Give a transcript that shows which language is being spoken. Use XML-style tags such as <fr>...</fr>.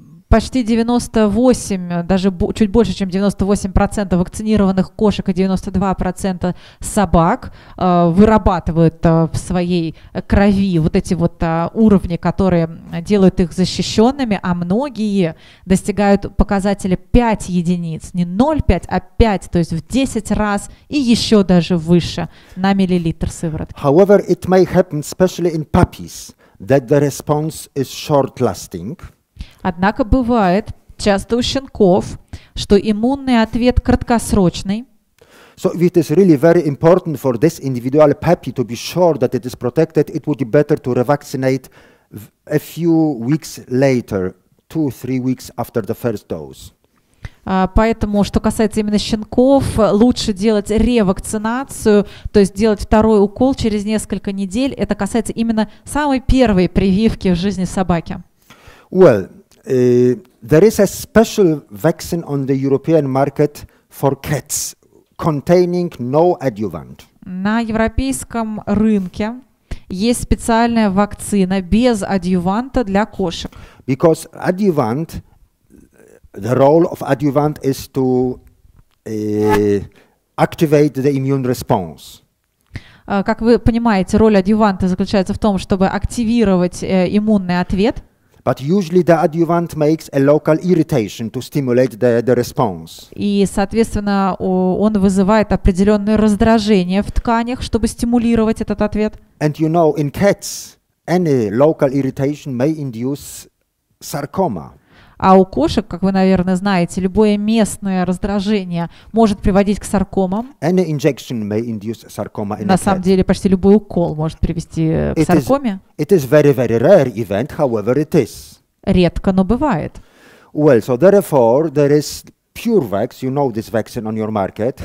<ru>Почти 98, даже чуть больше, чем 98% вакцинированных кошек и 92% собак вырабатывают в своей крови вот эти вот уровни, которые делают их защищенными, а многие достигают показателя 5 единиц, не 0,5, а 5, то есть в 10 раз и еще даже выше на миллилитр сыворотки.</ru> <en>However, it may happen, especially in puppies, that the response is short-lasting.</en> <ru>Однако бывает часто у щенков, что иммунный ответ краткосрочный.</ru> <en>So it is really very important for this individual puppy to be sure that it is protected. It would be better to revaccinate a few weeks later, 2-3 weeks after the first dose.</en> <ru>Поэтому, что касается именно щенков, лучше делать ревакцинацию, то есть делать второй укол через несколько недель. Это касается именно самой первой прививки в жизни собаки.</ru> <en>Well, there is a special vaccine on the European market for cats containing no adjuvant.</en> <ru>На европейском рынке есть специальная вакцина без адъюванта для кошек.</ru> <en>Because adjuvant, the role of adjuvant is to activate the immune response.</en> <ru>Как вы понимаете, роль адъюванта заключается в том, чтобы активировать иммунный ответ.</ru> <en>But usually the adjuvant makes a local irritation to stimulate the response.</en> <ru>И, соответственно, он вызывает определенное раздражение в тканях, чтобы стимулировать этот ответ.</ru> <en>And you know, in cats, any local irritation may induce sarcoma.</en> <ru>А у кошек, как вы, наверное, знаете, любое местное раздражение может приводить к саркомам.</ru> <en>Any injection may induce sarcoma in</en> <ru>На самом деле, почти любой укол может привести к саркоме.</ru> <en>It is very, very rare event, however it is.</en> <ru>Редко, но бывает.</ru> <en>Well, so therefore, there is PureVax, you know this vaccine on your market.</en>